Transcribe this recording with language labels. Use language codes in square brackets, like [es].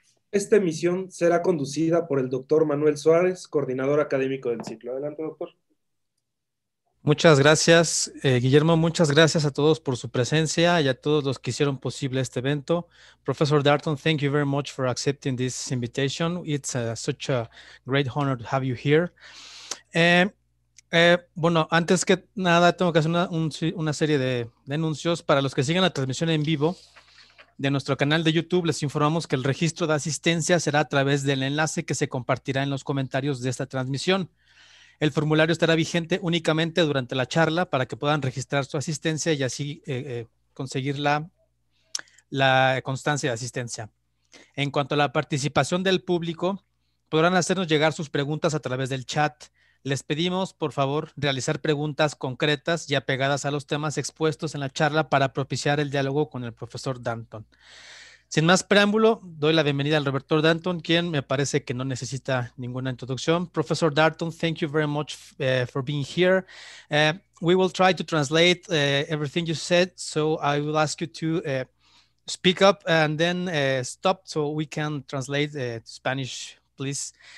[es] Esta emisión será conducida por el doctor Manuel Suárez, coordinador académico del ciclo. Adelante, doctor. Muchas gracias, Guillermo. Muchas gracias a todos por su presencia y a todos los que hicieron posible este evento. [en] Professor Darnton, thank you very much for accepting this invitation. It's such a great honor to have you here. [es] Bueno, antes que nada, tengo que hacer una serie de anuncios para los que sigan la transmisión en vivo. De nuestro canal de YouTube les informamos que el registro de asistencia será a través del enlace que se compartirá en los comentarios de esta transmisión. El formulario estará vigente únicamente durante la charla para que puedan registrar su asistencia y así conseguir la constancia de asistencia. En cuanto a la participación del público, podrán hacernos llegar sus preguntas a través del chat. Les pedimos, por favor, realizar preguntas concretas y apegadas a los temas expuestos en la charla para propiciar el diálogo con el profesor Darnton. Sin más preámbulo, doy la bienvenida al Roberto Darnton, quien me parece que no necesita ninguna introducción. [en] Professor Darnton, thank you very much for being here. We will try to translate everything you said, so I will ask you to speak up and then stop so we can translate to Spanish, please.